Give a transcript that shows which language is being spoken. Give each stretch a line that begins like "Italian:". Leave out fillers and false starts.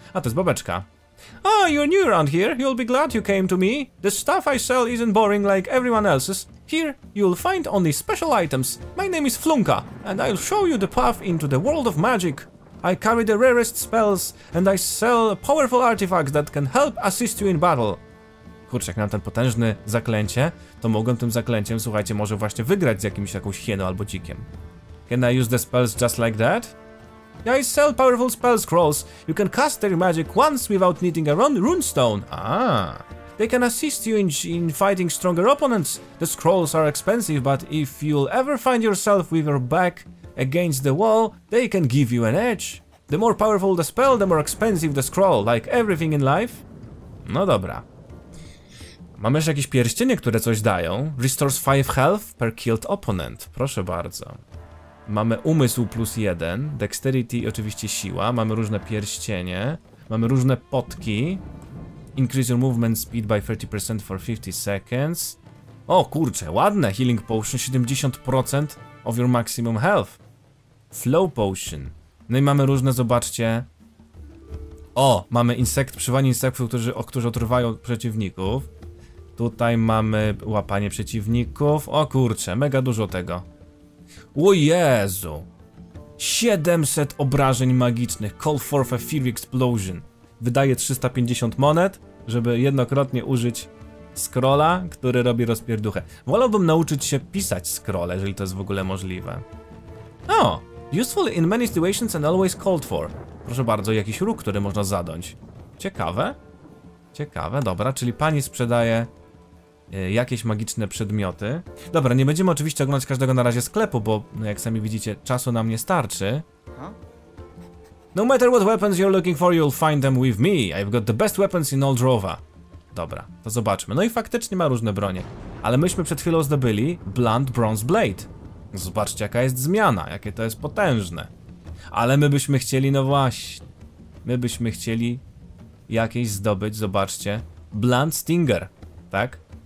Polish: A, to jest babeczka.
English: Ah, you're new around here. You'll be glad you came to me. The stuff I sell isn't boring like everyone else's. Here you'll find only special items. My name is Flunka, and I'll show you the path into the world of magic. I carry the rarest spells, and I sell powerful artifacts that can help assist you in battle.
Polish: Kurczę, jak mam ten potężny zaklęcie, to mogłem tym zaklęciem, słuchajcie, może właśnie wygrać z jakimś jakąś hieną albo dzikiem.
English: Can I use the spells just like that? I sell powerful spell scrolls. You can cast their magic once without needing a runestone. Ah. They can assist you in fighting stronger opponents. The scrolls are expensive, but if you'll ever find yourself with your back against the wall, they can give you an edge. The more powerful the spell, the more expensive the scroll, like everything in life.
Polish: No dobra. Mamy jeszcze jakieś pierścienie, które coś dają.
English: Restores 5 health per killed opponent.
Polish: Proszę bardzo. Mamy umysł plus 1, dexterity i oczywiście siła. Mamy różne pierścienie. Mamy różne potki.
English: Increase your movement speed by 30% for 50 seconds.
Polish: O kurczę, ładne.
English: Healing potion 70% of your maximum health. Flow potion.
Polish: No i mamy różne, zobaczcie. O, mamy insekt, przywanie insektów, którzy otruwają przeciwników. Tutaj mamy łapanie przeciwników. O kurczę, mega dużo tego. O Jezu!
English: 700
Polish: obrażeń magicznych.
English: Call forth a fear explosion.
Polish: Wydaje 350 monet, żeby jednokrotnie użyć scrolla, który robi rozpierduchę. Wolałbym nauczyć się pisać scrolle, jeżeli to jest w ogóle możliwe. O!
English: Useful in many situations and always called for.
Polish: Proszę bardzo, jakiś róg, który można zadąć. Ciekawe. Ciekawe, dobra, czyli pani sprzedaje jakieś magiczne przedmioty. Dobra, nie będziemy oczywiście oglądać każdego na razie sklepu, bo no jak sami widzicie, czasu nam nie starczy.
English: No matter what weapons you're looking for, you'll find them with me. I've got the best weapons in all Drova.
Polish: Dobra, to zobaczmy. No i faktycznie ma różne bronie. Ale myśmy przed chwilą zdobyli Blunt Bronze Blade. Zobaczcie, jaka jest zmiana, jakie to jest potężne. Ale my byśmy chcieli, no właśnie, my byśmy chcieli jakieś zdobyć, zobaczcie, Blunt Stinger, tak?